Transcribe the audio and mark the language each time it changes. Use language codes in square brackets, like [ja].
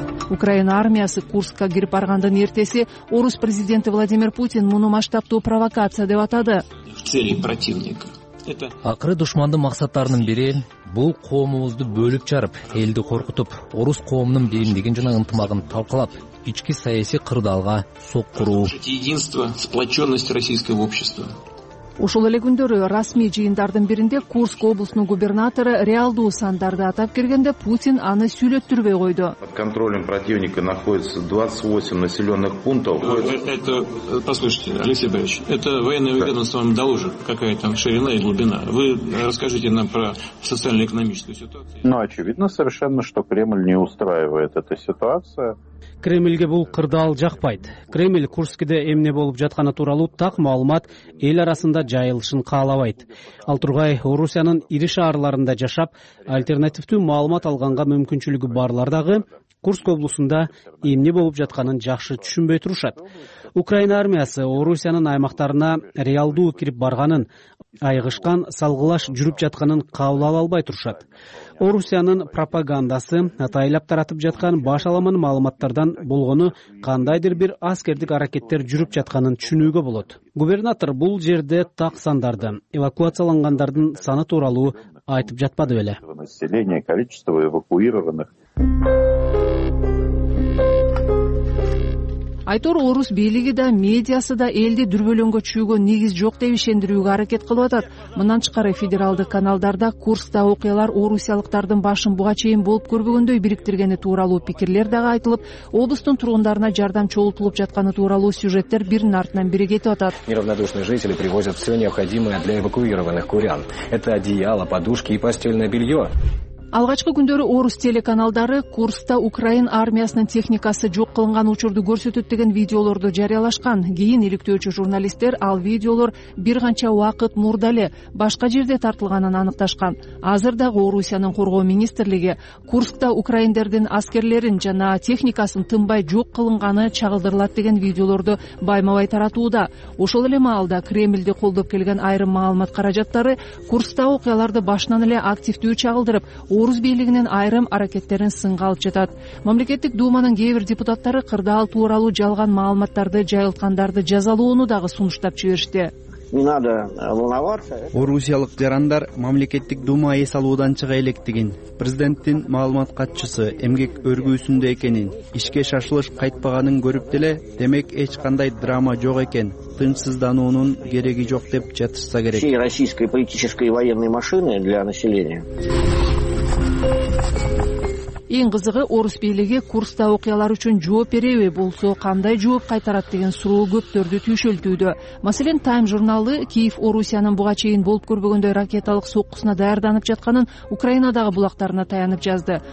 [ky] Украина армиясы Курскка кирип баргандын эртеси орус президенти Владимир Путин муну масштабтуу провокация деп атады. [ru] Цели противника. [ky] Акыры душмандын максаттарынын бири бул коомубузду бөлүп жарып, элди коркутуп, орус коомунун биримдигин жана ынтымагын талкалап, ички саясий кырдаалга соккуруу. [ru] Единство, сплочённость российского общества. [ky] Ушул эле күндөрү расмий жыйындардын биринде Курск облусунун губернатору реалдуу сандарды атап келгенде Путин аны сүйлөттүрбөй койду. [ru] Под контролем противника находится 28 населенных пунктов. Это, послушайте, Алексей Борисович, это военное ведомство вам доложит, какая там ширина и глубина. Вы расскажите нам про социально-экономическую ситуацию. Ну, очевидно совершенно, что Кремль не устраивает эта ситуация. [ky] Кремльге бул кырдаал жакпайт. Кремль Курскиде эмне болуп жатканы тууралуу так маалымат эл арасында жайылышын каалабайт. Ал тургай Орусиянын ири шаарларында жашап, альтернативдүү маалымат алганга мүмкүнчүлүгү барлар дагы Курск облусунда эмне болуп жатканын жакшы түшүнбөй турушат. Украина армиясы Орусиянын аймактарына реалдуу кирип барганын, айгышкан салгылаш жүрүп жатканын кабыл ала албай турушат. Орусиянын пропагандасы атайылап таратып жаткан баш аламан маалыматтардан болгону кандайдыр бир аскердик аракеттер жүрүп жатканын түшүнүүгө болот. Губернатор бул жерде так сандарды, эвакуациялангандардын саны тууралуу айтып жатпады беле. [ru] Население, количество эвакуированных. [ky] Айтор орус бийлиги да, медиасы да элди дүрбөлөңгө чүйгөн негиз жок деп ишендирүүгө аракет кылып атат. Мындан тышкары федералдык каналдарда Курскта окуялар орусиялыктардын башын буга чейин болуп көрбөгөндөй бириктиргени тууралуу пикирлер дагы айтылып, облустун тургундарына жардам чогултулуп жатканы тууралуу сюжеттер бирин артынан бири кетип атат. [ru] Неравнодушные жители привозят все необходимое для эвакуированных курян. Это одеяло, подушки и постельное белье. [ky] Алгачкы күндөрү орус телеканалдары Курскта Украин армиясынын техникасы жок кылынган учурду көрсөтөт деген видеолорду жарыялашкан. Кийин иликтөөчү журналисттер ал видеолор бир канча убакыт мурда эле башка жерде тартылганын аныкташкан. Азыр дагы Орусиянын коргоо министрлиги Курскта украиндердин аскерлерин жана техникасын тынбай жок кылынганы чагылдырылат деген видеолорду байма-бай таратууда. Ошол эле маалда Кремлди колдоп келген айрым маалымат каражаттары Курскта окуяларды башынан эле активдүү чагылдырып, орус бийлигинин айрым аракеттерин сынга алып жатат. Мамлекеттик дууманын кээ бир депутаттары кырдаал тууралуу жалган маалыматтарды жайылткандарды жазалоону дагы сунуштап жиберишти. Орусиялык жарандар мамлекеттик дума эс алуудан чыга электигин, президенттин маалымат катчысы эмгек өргүүсүндө экенин, ишке шашылыш кайтпаганын көрүп деле, демек эч кандай драма жок экен, тынчсыздануунун кереги жок деп жатышса керек. [ru] Всей российской политической и военной машины для населения. [ky] Эң кызыгы орус бийлиги Курскта окуялар үчүн жооп береби, болсо кандай жооп кайтарат деген суроо көптөрдү түйшөлтүүдө. Маселен, Time журналы Киев Орусиянын буга чейин болуп көрбөгөндөй ракеталык соккусуна даярданып жатканын Украинадагы булактарына таянып жазды.